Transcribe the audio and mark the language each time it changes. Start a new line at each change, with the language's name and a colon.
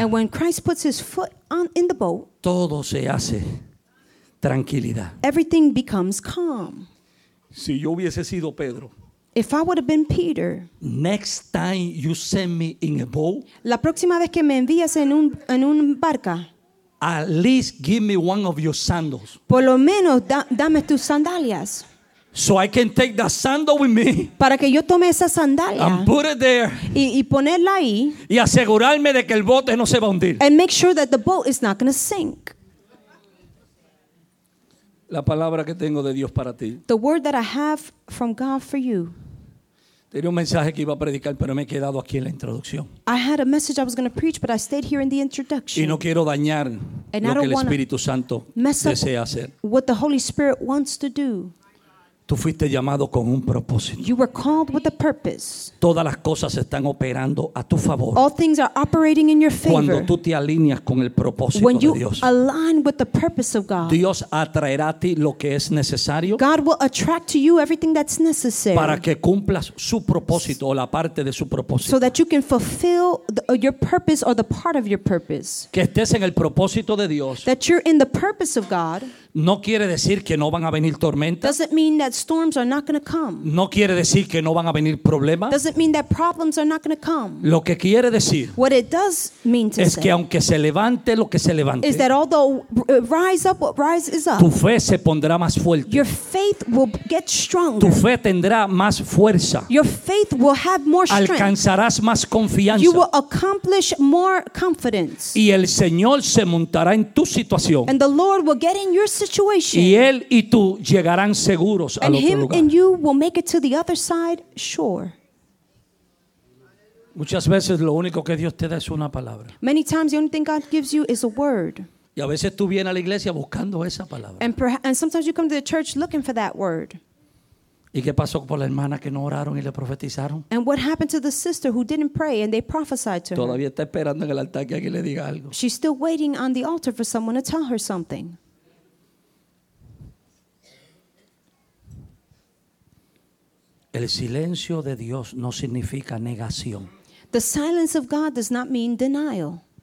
English: and when Christ puts his foot on in the boat,
Spanish: todo se hace tranquilidad.
English: Everything becomes calm.
Spanish: Si yo hubiese sido Pedro,
English: if I would have been Peter, next time you send me in a boat,
Spanish: la próxima vez que me envías en un barca,
English: at least give me one of your sandals.
Spanish: Por lo menos dame tus sandalias.
English: So I can take that sandal with me.
Spanish: Para que yo tome esa sandalia.
English: And put it there.
Spanish: Y ponerla ahí. Y asegurarme de que el bote no se va a hundir.
English: And make sure that the boat is not going to sink.
Spanish: La palabra que tengo de Dios para ti.
English: The word that I have from God for you.
Spanish: Tenía un mensaje que iba a predicar, pero me he quedado aquí en la introducción.
English: I had a message I was going to preach, but I stayed here in the introduction.
Spanish: Y no quiero dañar
English: and
Spanish: lo que el Espíritu Santo desea hacer.
English: What the Holy Spirit wants to do.
Spanish: Tú fuiste llamado con un propósito.
English: You were called with a purpose.
Spanish: Todas las cosas están operando a tu favor.
English: All things are operating in your favor.
Spanish: Cuando tú te alineas con el propósito
English: when
Spanish: de Dios.
English: When you align with the purpose of God.
Spanish: Dios atraerá a ti lo que es necesario.
English: God will attract to you everything that's necessary.
Spanish: Para que cumplas su propósito o la parte de su propósito.
English: So that you can fulfill your purpose or the part of your purpose.
Spanish: Que estés en el propósito de Dios.
English: That you're in the purpose of God.
Spanish: No quiere decir que no van a venir tormentas.
English: Doesn't mean that storms are not going to come.
Spanish: No quiere decir que no van a venir problemas.
English: Doesn't mean that problems are not going to come.
Spanish: Lo que quiere decir.
English: What it does mean to
Spanish: es
English: say
Spanish: que aunque se levante lo que se levante.
English: Is that although rise up what rises up.
Spanish: Tu fe se pondrá más fuerte.
English: Your faith will get stronger.
Spanish: Tu fe tendrá más fuerza.
English: Your faith will have more strength.
Spanish: Alcanzarás más confianza.
English: You will accomplish more confidence.
Spanish: Y el Señor se montará en tu situación.
English: And the Lord will get in your situation.
Spanish: Y él y tú llegarán seguros
English: and
Spanish: al otro
English: him
Spanish: lugar.
English: And you will make it to the other side, sure.
Spanish: Muchas veces lo único que Dios te da es una palabra.
English: Many times the only thing God gives you is a word.
Spanish: Y a veces tú vienes a la iglesia buscando esa palabra.
English: And sometimes you come to the church looking for that word.
Spanish: ¿Y qué pasó con la hermana que no oraron y le profetizaron?
English: And what happened to the sister who didn't pray and they prophesied to her?
Spanish: Todavía está esperando en el altar que alguien le diga algo.
English: She's still waiting on the altar for someone to tell her something.
Spanish: El silencio de Dios no significa negación.
English: The silence of God does not mean denial.